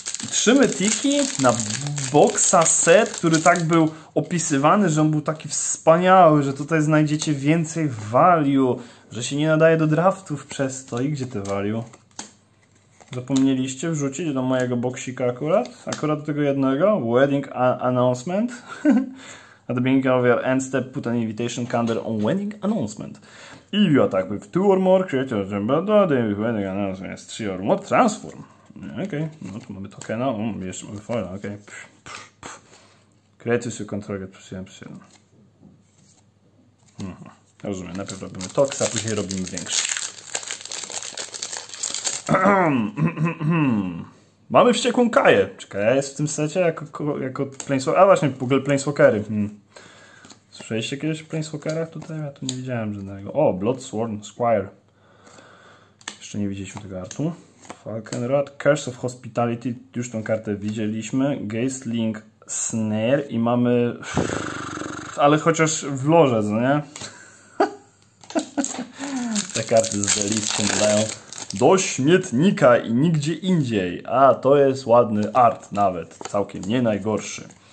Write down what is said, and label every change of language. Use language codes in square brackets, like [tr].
[pl] trzymy tiki na boxa set, który tak był opisywany, że on był taki wspaniały, że tutaj znajdziecie więcej value, że się nie nadaje do draftów przez to. I gdzie te value? Zapomnieliście wrzucić do mojego boksika akurat? Akurat do tego jednego? Wedding announcement? [en] At the beginning of your end step, put an invitation calendar on wedding announcement. If you attack with two or more creatures, then wedding announcement is three or more transform. [pl] Okej, okay. No to mamy tokena, jeszcze mamy foil, okej. [en] Creatures you control get plus 1, [pl] plus 1. Rozumiem, najpierw robimy toks, a później robimy większy. Mamy wściekłą Kaję. Czy Kaja jest w tym secie jako planeswalker? A właśnie, w ogóle planeswalkery. Słyszeliście kiedyś o planeswalkerach tutaj? Ja tu nie widziałem żadnego. O, Bloodsworn Squire. Jeszcze nie widzieliśmy tego artu. Falkenrod, Curse of Hospitality. Już tą kartę widzieliśmy. Gazeling Snare. I mamy... Ale chociaż w lorze, co nie? Te karty z Gazelingiem dają... Do śmietnika i nigdzie indziej. A to jest ładny art nawet. Całkiem nie najgorszy.